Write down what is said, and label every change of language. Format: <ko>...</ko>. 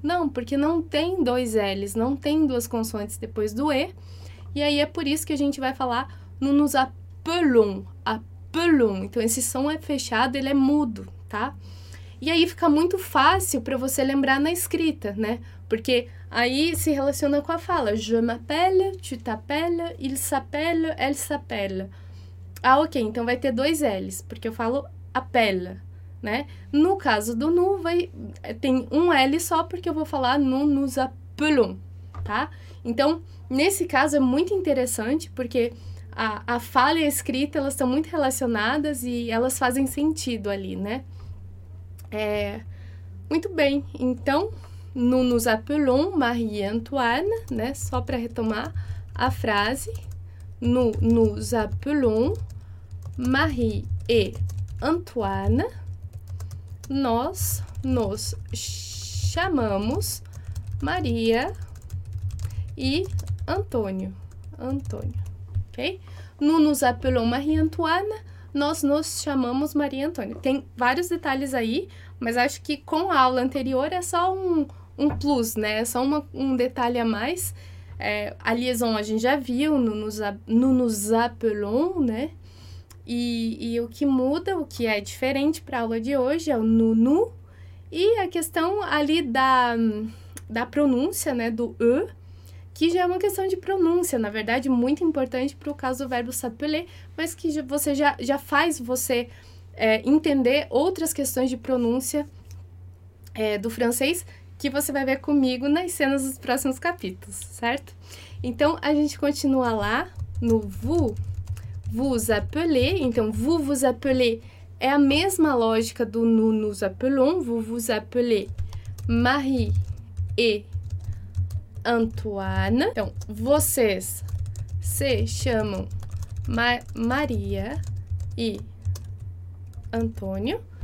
<pt>Não, porque não tem dois L's, não tem duas consoantes depois do E. E aí é por isso que a gente vai falar</pt> <fr>nous nous appelons, appelons.</fr> <pt>Então, esse som é fechado, ele é mudo, tá? E aí fica muito fácil para você lembrar na escrita, né? Porque aí se relaciona com a fala.</pt> <fr>Je m'appelle, tu t'appelles, il s'appelle, elle s'appelle.</fr> <pt>Ah, ok, então vai ter dois L's, porque eu falo appelle. Né? No caso do nu, tem um L só, porque eu vou falar nu</pt> <fr>nous appelons,</fr> <pt>tá? Então, nesse caso é muito interessante, porque a fala e a escrita, elas estão muito relacionadas e elas fazem sentido ali, né? Muito bem, então, nu</pt> <fr>nous appelons Marie-Antoine,</fr> <pt>né? Só para retomar a frase, nu</pt> <fr>nous appelons Marie-Antoine.</fr> <pt>Nós nos chamamos Maria e Antônio. Antônio, ok?</pt> <fr>Nous nous appelons Marie-Antoine.</fr> <pt>Nós nos chamamos Maria e Antônio. Tem vários detalhes aí, mas acho que com a aula anterior é só um plus, né? É só um detalhe a mais. A liaison a gente já viu,</pt> <fr>nous nous appelons,</fr> <pt>né? E o que muda, o que é diferente para a aula de hoje é o nu-nu. E a questão ali da pronúncia, né, do e, que já é uma questão de pronúncia, na verdade, muito importante para o caso do verbo s'appeler, mas que você já faz você entender outras questões de pronúncia do francês, que você vai ver comigo nas cenas dos próximos capítulos, certo? Então, a gente continua lá no vu.</pt> <fr>Vous appelez, então vous vous appelez</fr> <pt>é a mesma lógica do</pt> <fr>nous nous appelons, vous vous appelez Marie e Antoine.</fr> <pt>Então, vocês se chamam Maria e Antônio.</pt>